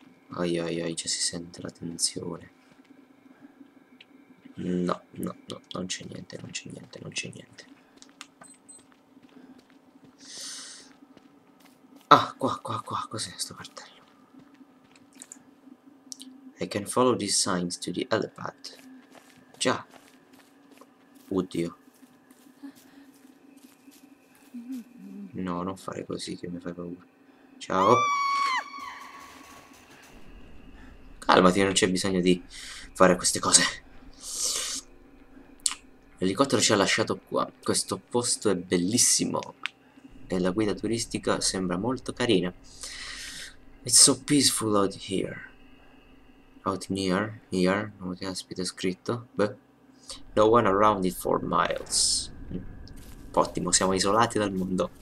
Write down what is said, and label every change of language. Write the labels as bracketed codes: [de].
[it] Ai ai ai, già si sente la tensione. No, no, no, non c'è niente, non c'è niente, non c'è niente. Ah, qua, cos'è sto cartello? [en] I can follow these signs to the helipad. [it] Già. Oddio. No, non fare così che mi fai paura. Ciao. Calmati, non c'è bisogno di fare queste cose. L'elicottero ci ha lasciato qua. Questo posto è bellissimo. E la guida turistica sembra molto carina. [en] It's so peaceful out here. Out near, here. [it] Non ti aspetta scritto. Beh. [en] No one around it for miles. [it] Ottimo, siamo isolati dal mondo.